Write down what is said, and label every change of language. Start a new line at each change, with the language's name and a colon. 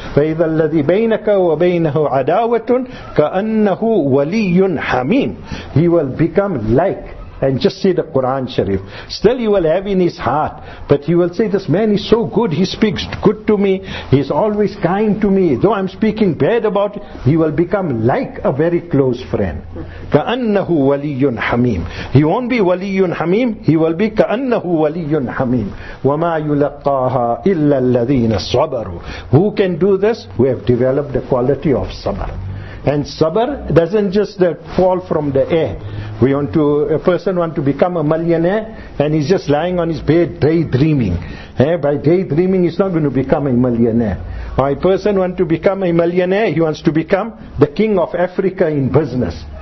Arabic: فَإِذَا الَّذِي بَيْنَكَ وَبَيْنَهُ عَدَاوَةٌ كَأَنَّهُ وَلِيٌّ حَمِيمٌ.
English: He will become like, and just see the Quran Sharif, still he will have in his heart, but he will say, this man is so good, he speaks good to me, he's always kind to me, though I'm speaking bad about him. He will become like a very close friend.
Arabic: كَأَنَّهُ وَلِيٌّ حَمِيمٌ.
English: He won't be
Arabic: وَلِيٌّ حَمِيمٌ,
English: he will be
Arabic: كَأَنَّهُ وَلِيٌّ حَمِيمٌ. وَمَا يُلَقَّاهَا إِلَّا الَّذِينَ صَبَرُوا.
English: Who can do this? We have developed the quality of sabr. And sabr doesn't just fall from the air. We want to, a person want to become a millionaire and he's just lying on his bed daydreaming. By daydreaming he's not going to become a millionaire. Or a person want to become a millionaire, he wants to become the king of Africa in business.